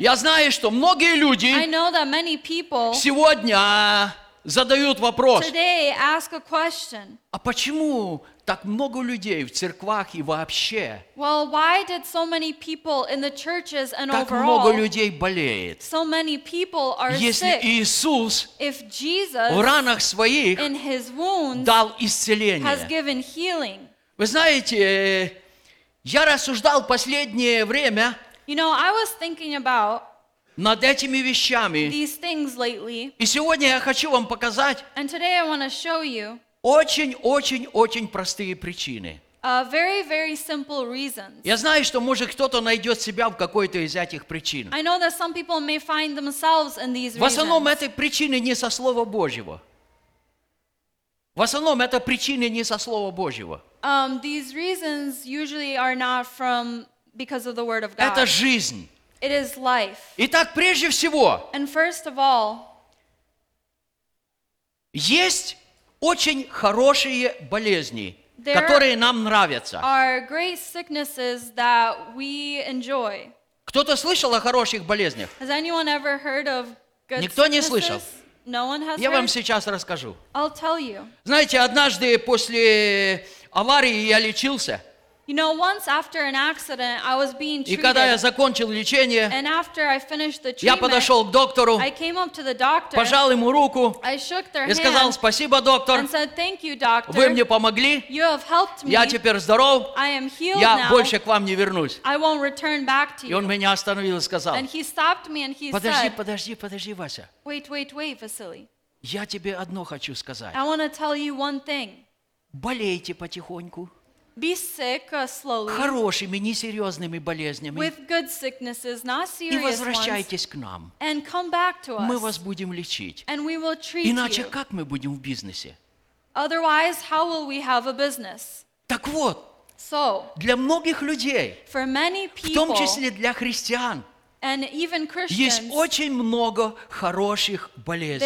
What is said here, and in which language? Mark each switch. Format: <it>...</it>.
<ru>я знаю, что многие люди сегодня задают вопрос,</ru> <en>today ask a question,</en> <ru>а почему так много людей в церквах и вообще?</ru> <en>Well, why did so many people in the churches and</en> <ru>так</ru> <en>overall,</en> <ru>много людей болеет?</ru> <en>So many people are</en> <ru>если</ru> <en>sick,</en> <ru>Иисус</ru> <en>if Jesus</en> <ru>в ранах своих</ru> <en>in his wounds</en> <ru>дал исцеление?</ru> <en>Has given healing.</en> <ru>Вы знаете, я рассуждал последнее время,</ru> <en>you know, I was thinking about</en> <ru>над этими вещами,</ru> <en>these things lately.</en> <ru>И сегодня я хочу вам показать,</ru> <en>and today I want to show you</en> <ru>очень-очень-очень простые причины.</ru> <en>Very, very simple reasons.</en> <ru>Я знаю, что может кто-то найдет себя в какой-то из этих причин.</ru> <en>I know that some people may find themselves in these reasons.</en> <ru>В основном это причины не со Слова Божьего. В основном это причины не со Слова Божьего.</ru> <en>These reasons usually are not from because of the word of God.</en> <ru>Это жизнь.</ru> <en>It is life.</en> <ru>Итак, прежде всего,</ru> <en>and first of all,</en> <ru>есть очень хорошие болезни, которые нам нравятся.</ru> <en>There are great sicknesses that we enjoy.</en> <ru>Кто-то слышал о хороших болезнях?</ru> <en>Has anyone ever heard of good</en> <ru>никто</ru> <en>sicknesses?</en> <ru>Не слышал.</ru> <en>No one has</en> <ru>я</ru> <en>heard?</en> <ru>Вам сейчас расскажу.</ru> <en>I'll tell you.</en> <ru>Знаете, однажды после аварии я лечился.</ru> <en>You know, once after an accident, I was being treated.</en> <ru>И когда я закончил лечение,</ru> <en>and after I finished the treatment,</en> <ru>я подошел к доктору,</ru> <en>I came up to the doctor,</en> <ru>пожал ему руку,</ru> <en>I shook their</en> <ru>и сказал,</ru> <en>hand,</en> <ru>спасибо, доктор,</ru> <en>and said, thank you, doctor.</en> <ru>Вы мне помогли.</ru> <en>You have helped me.</en> <ru>Я теперь здоров.</ru> <en>I am healed</en> <ru>я</ru> <en>now.</en> <ru>Больше к вам не вернусь.</ru> <en>I won't return back to you.</en> <ru>И он меня остановил и сказал,</ru> <en>and he stopped me and he</en> <ru>подожди,</ru> <en>said,</en> <ru>подожди, Вася.</ru> <en>Wait, Vasily.</en> <ru>Я тебе одно хочу сказать.</ru> <en>I want to tell you one thing.</en> <ru>Болейте потихоньку.</ru> <en>Be sick slowly.</en> <ru>Хорошими, несерьезными болезнями.</ru> <en>With good sicknesses, not serious ones.</en> <ru>И возвращайтесь к нам.</ru> <en>And come back to us.</en> <ru>Мы вас будем лечить.</ru> <en>And we will treat you.</en> <ru>Иначе</ru> <en>you.</en> <ru>Как мы будем в бизнесе?</ru> <en>Otherwise, how will we have a business?</en> <ru>Так вот.</ru> <en>So.</en> <ru>Для многих людей.</ru> <en>For many people.</en> <ru>В том числе для христиан.</ru> <en>And even Christians,</en> <ru>есть очень много хороших болезней.</ru>